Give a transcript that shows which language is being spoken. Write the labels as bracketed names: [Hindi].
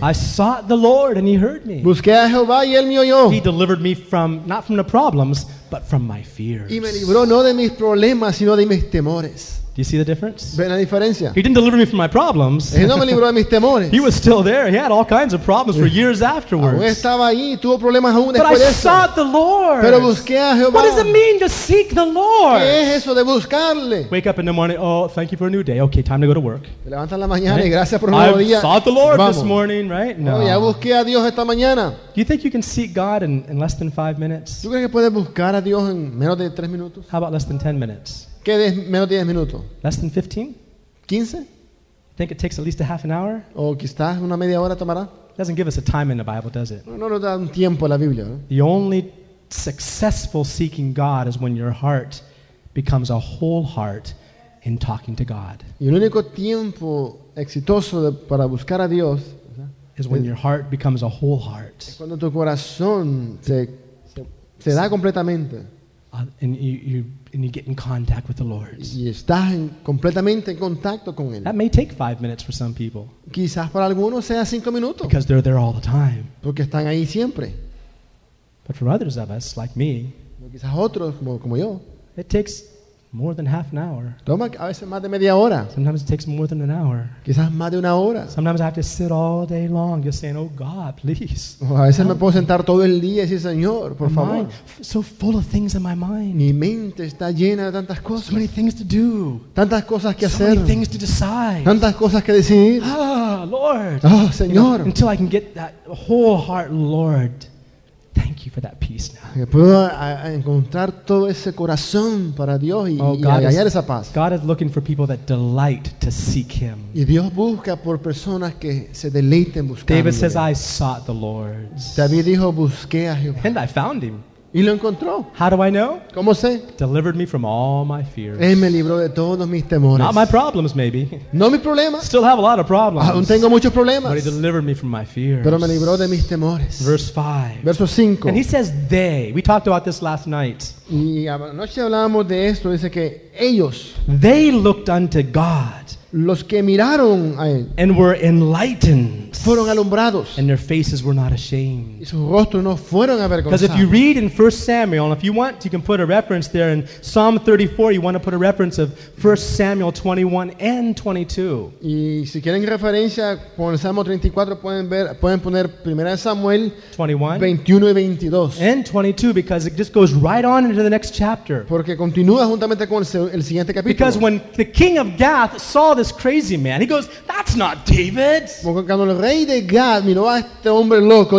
[English] I sought the Lord and he heard me. [Spanish] Busqué a Jehová y él me oyó. [English] He delivered me from, not from the problems, but from my fears. [Spanish] Y me libró no de mis problemas, sino de mis temores. [English] Do you see the difference? [Spanish] ¿Ven la diferencia? [English] He didn't deliver me from my problems. [Spanish] Él no me libró de mis temores. [English] He was still there. He had all kinds of problems for years afterwards. [Spanish] Aún estaba ahí, tuvo problemas aún después. [English] But I sought the Lord. [Spanish] Pero busqué a Jehová. [English] What does it mean to seek the Lord? [Spanish] ¿Qué es eso de buscarle? [English] Wake up in the morning. Oh, thank you for a new day. Okay, time to go to work. [Spanish] Me levanta en la mañana y gracias por un nuevo día. [English] I sought the Lord this morning, right? [Spanish] No. Ya busqué a Dios esta mañana. [English] Do you think you can seek God in less than 5 minutes? [Spanish] ¿Tú crees que puedes buscar a Dios en menos de 3 minutos? [English] How about less than 10 minutes? [Spanish] ¿Qué de menos de 10 minutos? [English] Less than 15? [Spanish] 15? [English] I think it takes at least a half an hour? [Spanish] ¿O quizás una media hora tomará? [English] It doesn't give us a time in the Bible, does it? [Spanish] No nos da un tiempo la Biblia. [English] The only successful seeking God is when your heart becomes a whole heart in talking to God. [Spanish] Y el único tiempo exitoso para buscar a Dios [English] is when your heart becomes a whole heart. [Spanish] Es cuando tu corazón se da completamente. [English] And you get in contact with the Lord. [Spanish] Y estás completamente en contacto con él. [English] That may take 5 minutes for some people. [Spanish] Quizás para algunos sea 5 minutos. [English] Because they're there all the time. [Spanish] Porque están ahí siempre. [English] But for others of us, like me, [Spanish] quizás otros como yo, [English] it takes more than half an hour. [Spanish] Toma a veces más de media hora. [English] Sometimes it takes more than an hour. [Spanish] Quizás más de una hora. [English] Sometimes I have to sit all day long just saying, oh God, please. [Spanish] O a veces me puedo sentar todo el día y decir, Señor, por favor. [English] So full of things in my mind. [Spanish] Mi mente está llena de tantas cosas. [English] So many things to do. [Spanish] Tantas cosas que [English] so [Spanish] hacer. [English] So many things to decide. [Spanish] Tantas cosas que decidir. [English] Ah, Lord. [Spanish] Oh, Señor. [English] You know, until I can get that whole heart, Lord. Thank you for that peace now. [Spanish] Puedo encontrar todo ese corazón para Dios y hallar esa paz. [English] God is looking for people that delight to seek Him. [Spanish] Y Dios busca por personas que se deleiten buscando. [English] David says, "I sought the Lord." [Spanish] David dijo, busqué a Jehová. [English] And I found Him. [Spanish] Y lo encontró. [English] How do I know? [Spanish] ¿Cómo sé? [English] Delivered me from all my fears. [Spanish] Él me libró de todos mis temores. [English] Not my problems, maybe. [Spanish] No mis problemas. [English] Still have a lot of problems. [Spanish] Aún tengo muchos problemas. [English] But he delivered me from my fears. [Spanish] Pero me libró de mis temores. [English] Verse 5. [Spanish] Verso 5. [English] And he says they. We talked about this last night. [Spanish] Y anoche hablábamos de esto. Dice que ellos. [English] They looked unto God. [Spanish] Los que miraron a él. [English] And were enlightened. [Spanish] Fueron alumbrados. [English] And their faces were not ashamed. [Spanish] Y sus rostros no fueron avergonzados. [English] Because if you read in 1 Samuel, if you want, you can put a reference there in Psalm 34, you want to put a reference of 1 Samuel 21 and 22. [Spanish] Y si quieren referencia con el Salmo 34, pueden poner 1 Samuel 21, 21 y 22. [English] And 22, because it just goes right on into the next chapter. [Spanish] Porque continúa juntamente con el siguiente capítulo. [English] Because when the king of Gath saw this crazy man, he goes, that's not David. [Spanish] El rey de Gad miró a este hombre loco.